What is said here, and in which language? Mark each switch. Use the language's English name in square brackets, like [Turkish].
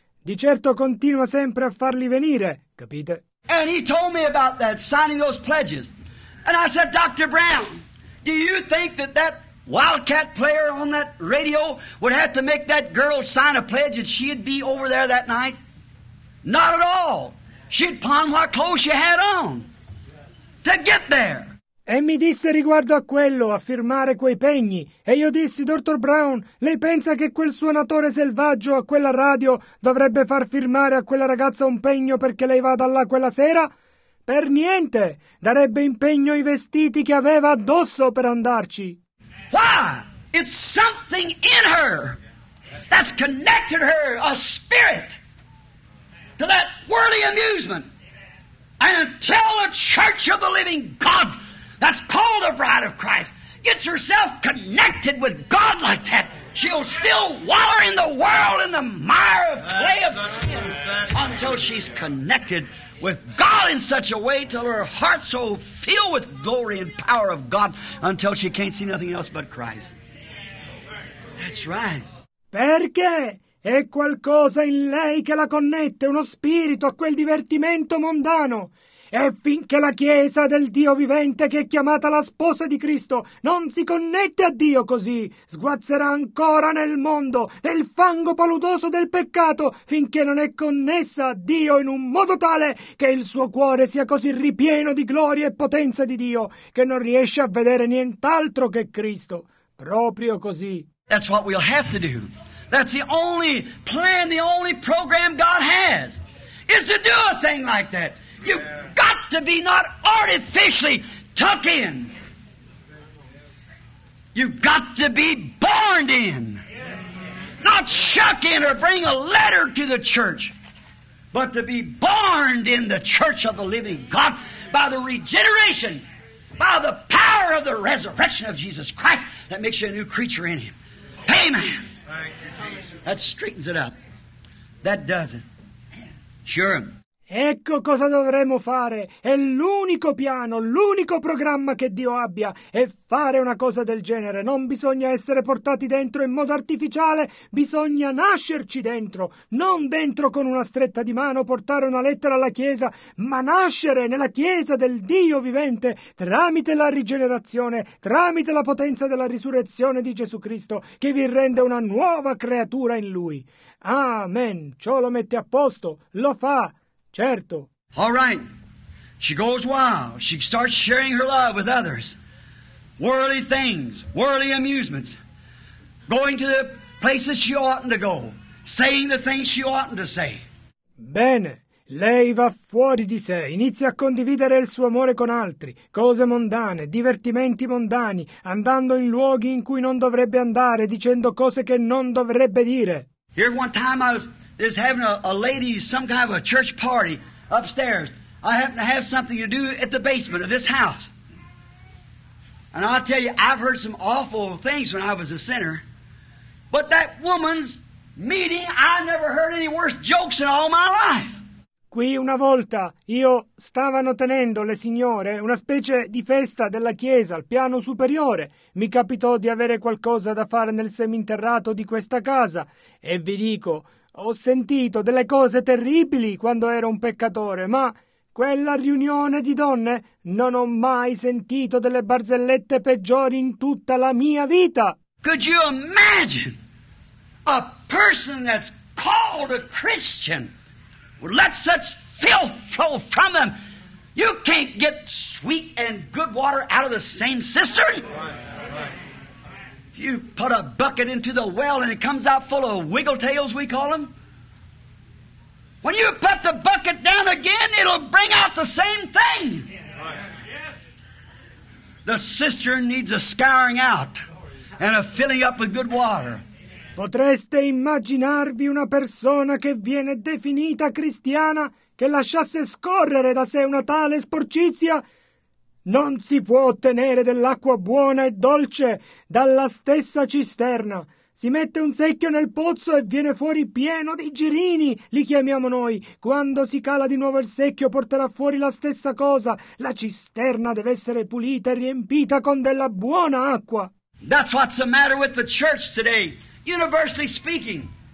[Italian] Di certo continua sempre a farli venire, capite? [English] And he told me about that, signing those pledges. And I said, Dr. Brown, do you think that that wildcat player on that radio would have to make that girl sign a pledge that she'd be over there that night? Not at all. She'd pawn what clothes she had on to get there. [Italian] E mi disse riguardo a quello, a firmare quei pegni. E io dissi, dottor Brown, lei pensa che quel suonatore selvaggio a quella radio dovrebbe far firmare a quella ragazza un pegno perché lei vada là quella sera? Per niente! Darebbe impegno ai vestiti che aveva addosso per andarci. [English] Why? It's something in her that's connected her, a spirit, to that worldly amusement. And until the church of the living God, that's called the bride of Christ, gets herself connected with God like that, she'll still wallow in the world in the mire of clay of sin until she's connected with God in such a way till her heart's so filled with glory and power of God until she can't see nothing else but Christ. That's right. [Italian] Perché è qualcosa in lei che la connette, uno spirito a quel divertimento mondano. E finché la Chiesa del Dio vivente, che è chiamata la sposa di Cristo, non si connette a Dio così, sguazzerà ancora nel mondo, nel fango paludoso del peccato, finché non è connessa a Dio in un modo tale che il suo cuore sia così ripieno di gloria e potenza di Dio, che non riesce a vedere nient'altro che Cristo. Proprio così. [English] That's what we'll have to do. That's the only plan, the only program God has, is to do a thing like that. You got to be not artificially tucked in. You got to be born in. Not shuck in or bring a letter to the church, but to be born in the church of the living God by the regeneration, by the power of the resurrection of Jesus Christ that makes you a new creature in Him. Amen. Thank you, Jesus. That straightens it up. That does it. Sure. [Italian] Ecco cosa dovremmo fare. È l'unico piano, l'unico programma che Dio abbia, è fare una cosa del genere. Non bisogna essere portati dentro in modo artificiale, bisogna nascerci dentro. Non dentro con una stretta di mano portare una lettera alla Chiesa, ma nascere nella Chiesa del Dio vivente tramite la rigenerazione, tramite la potenza della risurrezione di Gesù Cristo, che vi rende una nuova creatura in Lui. Amen. Ciò lo mette a posto, lo fa. Certo. [English] All right. She goes wild. She starts sharing her love with others. Worldly things, worldly amusements. Going to the places she oughtn't to go. Saying the things she oughtn't to say. [Italian] Bene. Lei va fuori di sé, inizia a condividere il suo amore con altri, cose mondane, divertimenti mondani, andando in luoghi in cui non dovrebbe andare, dicendo cose che non dovrebbe dire. [English] Here one time I was having a lady, some kind of a church party upstairs. I happen to have something to do at the basement of this house. And I'll tell you, I've heard some awful things when I was a sinner. But that woman's meeting, I never heard any worse jokes in all my life. [Italian] Qui una volta io stavano tenendo le signore una specie di festa della chiesa al piano superiore. Mi capitò di avere qualcosa da fare nel seminterrato di questa casa. E vi dico, ho sentito delle cose terribili quando ero un peccatore, ma quella riunione di donne non ho mai sentito delle barzellette peggiori in tutta la mia vita. [English] Could you imagine a person that's called a Christian would let such filth flow from them? You can't get sweet and good water out of the same cistern. You put a bucket into the well and it comes out full of wiggle tails, we call them. When you put the bucket down again, it'll bring out the same thing. The cistern needs a scouring out and a filling up with good water. [Italian] Potreste immaginarvi una persona che viene definita cristiana che lasciasse scorrere da sé una tale sporcizia? Non si può ottenere dell'acqua buona e dolce dalla stessa cisterna. Si mette un secchio nel pozzo e viene fuori pieno di girini, li chiamiamo noi. Quando si cala di nuovo il secchio porterà fuori la stessa cosa. La cisterna deve essere pulita e riempita con della buona acqua. [English] That's what's the matter with the church today, universally speaking.